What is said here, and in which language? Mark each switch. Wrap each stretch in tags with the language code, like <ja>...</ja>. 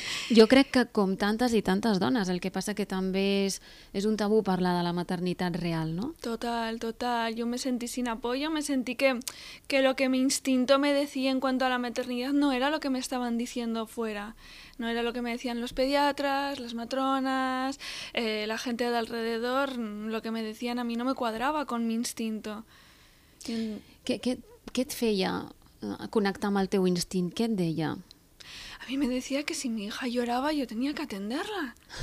<ca>Jo crec que com tantes i tantes dones, el que passa que també és un tabú parlar de la maternitat real, no? Total, total.</ca> <es>Jo me sentí sin apoyo, me sentí que lo que mi instinto me decía en cuanto a la maternitat no era lo que me estaban diciendo fuera. No era lo que me decían los pediatras, las matronas, la gente de alrededor, lo que me decían a mí no me cuadraba con mi instinto.</es> <ca>¿Qué te feia connectar amb el teu instint? ¿Qué et deia?</ca> <es>A mí me decía que si mi hija lloraba yo tenía que atenderla.</es>